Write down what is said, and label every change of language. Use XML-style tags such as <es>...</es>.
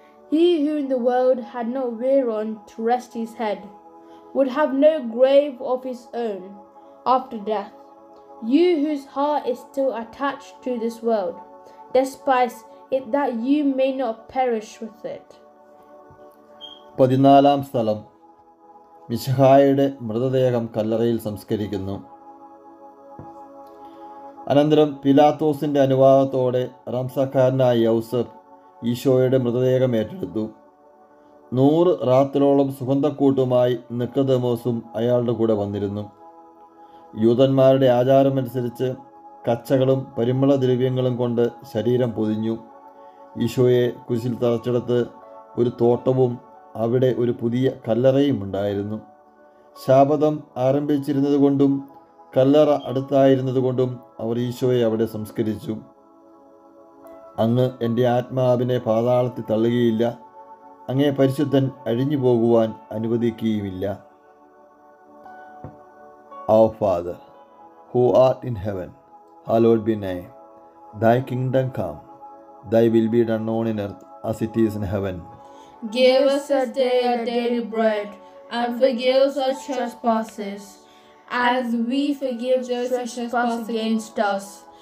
<en>He who in the world had no whereon to rest his head would have no grave of his own after death. You whose heart is still attached to this world, despise it that you may not perish with it.</en> <ml>14th സ്ഥലം. മിശിഹായുടെ മൃതദേഹം കല്ലറയിൽ സംസ്കരിക്കുന്നു. അനന്തരം പിലാത്തോസിന്റെ അനുവാദത്തോടെ റംസക്കാരനായ യൗസഫ് ഈശോയുടെ മൃതദേഹം ഏറ്റെടുത്തു. 100 റാത്തലോളം സുഗന്ധക്കൂട്ടുമായി നിക്കദമോസും അയാളുടെ കൂടെ വന്നിരുന്നു. യൂതന്മാരുടെ ആചാരമനുസരിച്ച് കച്ചകളും പരിമള ദ്രവ്യങ്ങളും കൊണ്ട് ശരീരം പൊതിഞ്ഞു. ഈശോയെ കുരിശിൽ തറച്ചെടുത്ത് ഒരു തോട്ടവും അവിടെ ഒരു പുതിയ കല്ലറയും ഉണ്ടായിരുന്നു. ശാബതം ആരംഭിച്ചിരുന്നതുകൊണ്ടും കല്ലറ അടുത്തായിരുന്നതുകൊണ്ടും അവർ ഈശോയെ അവിടെ സംസ്കരിച്ചു. അങ്ങ് എൻ്റെ ആത്മാവിനെ പാതാളത്തിൽ തള്ളുകയില്ല, അങ്ങേ പരിശുദ്ധൻ അഴിഞ്ഞു പോകുവാൻ അനുവദിക്കുകയുമില്ല.</ml> <en>Our Father, who art in heaven, hallowed be thy name. Thy kingdom come, thy will be done on earth as it is in heaven. Give us this day our daily bread, and forgive us our trespasses, as we forgive those who trespass against us.</en>